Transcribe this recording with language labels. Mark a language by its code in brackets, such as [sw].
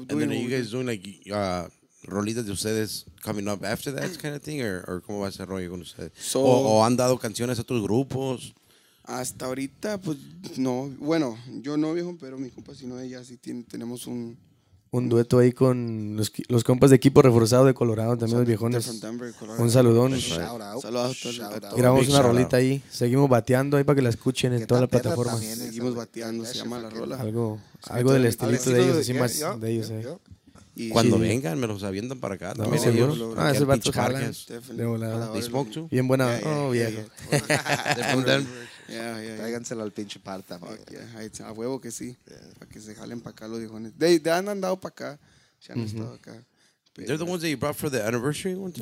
[en] And then are you guys doing like [es] rolitas de ustedes [en] coming up after that kind of thing? [es] Or cómo va ese rollo con ustedes? So, o han dado canciones a otros grupos? Hasta ahorita, pues, no. Bueno, yo no, viejo, pero mi compa, sino ella, sí tenemos un... Un dueto ahí con los compas de Equipo Reforzado de Colorado, también los viejones. Un saludón. [en] Shout out. [es] Grabamos una rolita ahí. Seguimos bateando ahí para que la escuchen en todas las plataformas. Seguimos bateando, se llama la rola. Algo del estilito de ellos, así más de ellos. Cuando vengan, me los avientan para acá. También seguro. Ah, ese vato jala. De volada. [en] They spoke to. [es] Bien buena. Oh, viejo. Tráiganselo al pinche parta. A huevo que sí. Para que se jalen para acá los viejones. [en] They [es] han andado para acá. Se han estado acá. [en] They're the ones that you brought for the anniversary one too?